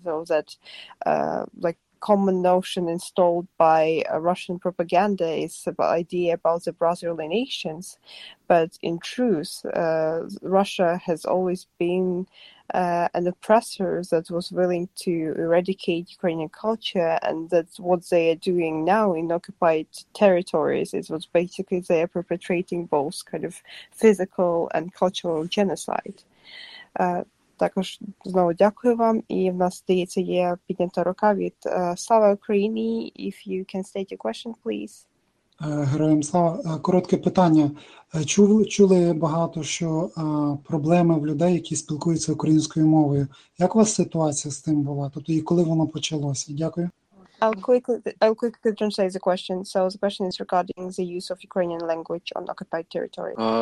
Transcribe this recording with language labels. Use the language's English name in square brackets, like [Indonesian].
[English] So that like common notion installed by Russian propaganda is about idea about the brotherly nations, but in truth Russia has always been an oppressor that was willing to eradicate Ukrainian culture, and that's what they are doing now in occupied territories is what basically they are perpetrating, both kind of physical and cultural genocide. [Ukrainian] Також знову дякую вам. І в нас, здається, є піднята рука від Слава Україні. [English] If you can state your question, please. [Ukrainian] Героям слава. Коротке питання. Чули багато, що проблеми в людей, які спілкуються українською мовою. Як у вас ситуація з тим була? Тобто, і коли воно почалося? Дякую. [English] I'll quickly translate the question. So the question is regarding the use of Ukrainian language on occupied territory.